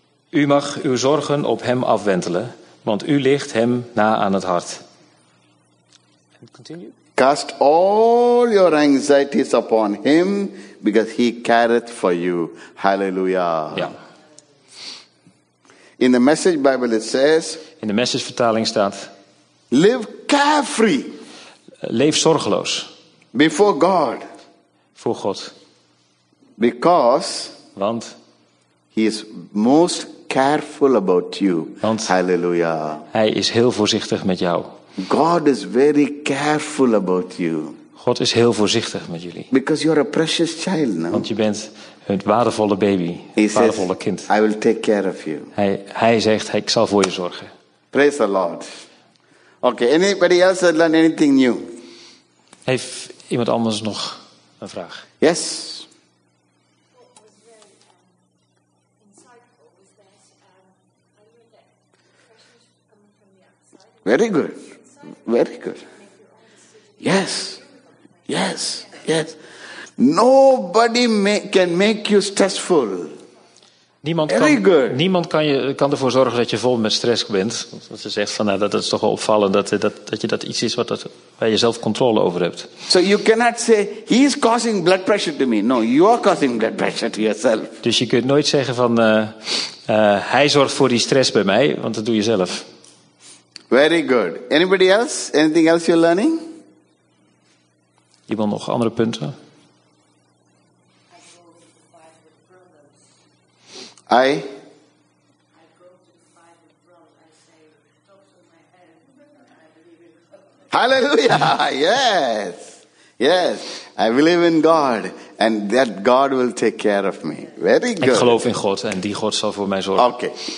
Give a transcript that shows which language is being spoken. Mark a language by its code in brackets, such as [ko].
[nl] U mag uw zorgen op hem afwentelen, want u ligt hem na aan het hart. [en] And continue. Cast all your anxieties upon him, because he careth for you. Hallelujah. [nl] Ja. [en] In the Message Bible it says. [nl] In de Message vertaling staat. [en] Live carefree. [nl] Leef zorgeloos. [en] Before God. [nl] Voor God. [en] Because. [nl] Want. [en] He is most careful about you. [nl] Want. Hallelujah. Hij is heel voorzichtig met jou. [en] God is very careful about you. [nl] God is heel voorzichtig met jullie. [en] Because you are a precious child, no? [nl] Want je bent het waardevolle baby. Het waardevolle kind. [en] I will take care of you. [nl] Hij zegt, ik zal voor je zorgen. [en] Praise the Lord. Okay, anybody else that learned anything new? [nl] Heeft iemand anders nog een vraag? [en] Yes. Very good. Very good. Yes. Yes. Yes. Nobody can make you stressful. [nl] Niemand kan ervoor zorgen dat je vol met stress bent. Want ze zegt van, nou, dat is toch wel opvallend dat je dat iets is waar je zelf controle over hebt. [en] So you cannot say he is causing blood pressure to me. No, you are causing blood pressure to yourself. [nl] Dus je kunt nooit zeggen van hij zorgt voor die stress bij mij, want dat doe je zelf. [en] Very good. Anybody else? Anything else you're learning? [nl] Iemand nog andere punten? Hallelujah! [en] Yes, I believe in God, and that God will take care of me. Very good. [nl] Ik geloof in God, en die God zal voor mij zorgen.